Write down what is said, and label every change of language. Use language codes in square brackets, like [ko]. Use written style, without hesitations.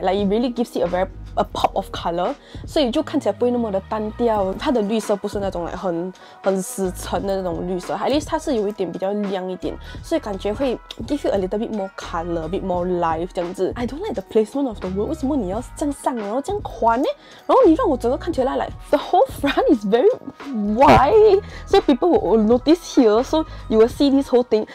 [en] Like it really gives it a pop of color, [zh] 所以就看起来不会那么的单调。它的绿色不是那种 like 很死沉的那种绿色， [en] at least [zh] 它是有一点比较亮一点，所以感觉会 [en] give you a little bit more color, a bit more life [zh] 这样子。 [en] I don't like the placement of the word. [zh] 为什么你要这样上，然后这样宽呢？然后你让我整个看起来 [en] like the whole front is very wide, so people will notice here, so you will see this whole thing.